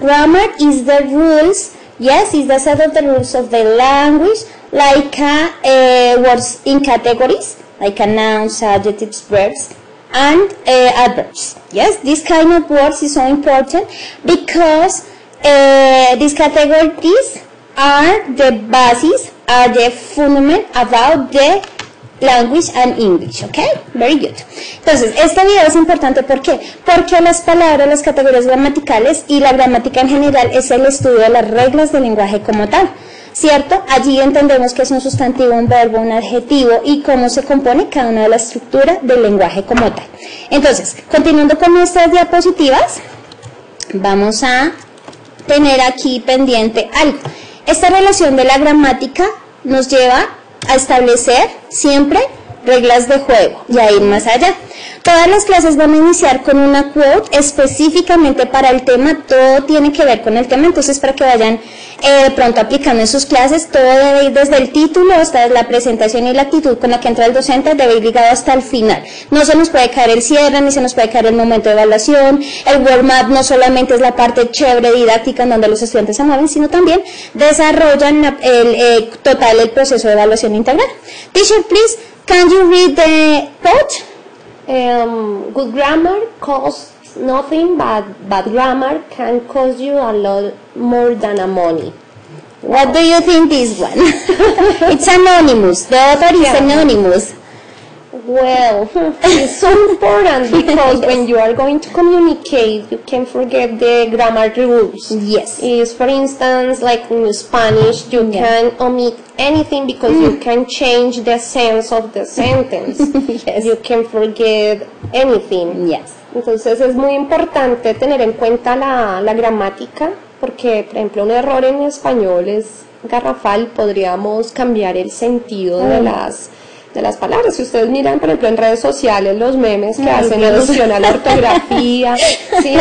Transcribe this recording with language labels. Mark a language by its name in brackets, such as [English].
[English] Grammar is the rules, yes, is the set of the rules of the language, like words in categories, like a nouns, adjectives, verbs, and adverbs. Yes, this kind of words is so important because these categories are the basis, are the fundament about the language and English, ok? [Spanish] Very good. Entonces, este video es importante, ¿por qué? Porque las palabras, las categorías gramaticales y la gramática en general es el estudio de las reglas del lenguaje como tal, ¿cierto? Allí entendemos qué es un sustantivo, un verbo, un adjetivo y cómo se compone cada una de las estructuras del lenguaje como tal. Entonces, continuando con nuestras diapositivas, vamos a tener aquí pendiente algo. Esta relación de la gramática nos lleva a establecer siempre reglas de juego y a ir más allá. Todas las clases van a iniciar con una quote específicamente para el tema, todo tiene que ver con el tema, entonces para que vayan pronto aplicando en sus clases, todo debe ir desde el título hasta la presentación y la actitud con la que entra el docente, debe ir ligado hasta el final. No se nos puede caer el cierre, ni se nos puede caer el momento de evaluación. El warm up no solamente es la parte chévere didáctica en donde los estudiantes se mueven, sino también desarrollan el proceso de evaluación integral. [English] Teacher, please, can you read the quote? Good grammar costs nothing, but bad grammar can cost you a lot more than a money. What do you think this one? It's anonymous. The author is anonymous. Well, it's so important because when you are going to communicate, you can forget the grammar rules. Yes. It's, for instance, like in Spanish, you can omit anything because you can change the sense of the sentence. Yes. You can forget anything. Yes. [Spanish] Entonces, es muy importante tener en cuenta la gramática porque, por ejemplo, un error en español es garrafal, podríamos cambiar el sentido de las palabras. Si ustedes miran, por ejemplo, en redes sociales, los memes que hacen alusión a la ortografía, ¿sí?